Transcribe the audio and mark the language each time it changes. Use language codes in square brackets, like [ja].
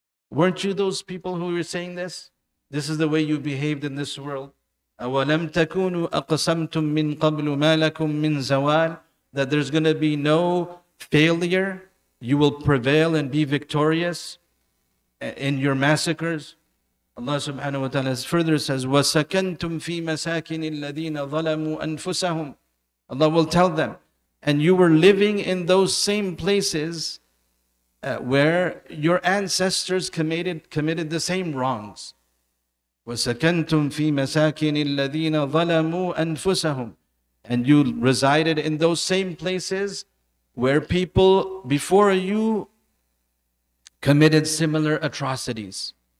[en] Weren't you those people who were saying this? This is the way you behaved in this world. [ar] أَوَلَمْ تَكُونُوا أَقْسَمْتُمْ مِنْ قَبْلُ مَا لَكُمْ مِنْ زَوَالٍ. [en] That there's going to be no failure. You will prevail and be victorious in your massacres. Allah subhanahu wa ta'ala further says, [ar] وَسَكَنْتُمْ فِي مَسَاكِنِ الَّذِينَ ظَلَمُوا أَنفُسَهُمْ. [en] Allah will tell them, and you were living in those same places where your ancestors committed the same wrongs. [ar] وَسَكَنْتُمْ فِي مَسَاكِنِ الَّذِينَ ظَلَمُوا أَنفُسَهُمْ. [en] And you resided in those same places where people before you committed similar atrocities.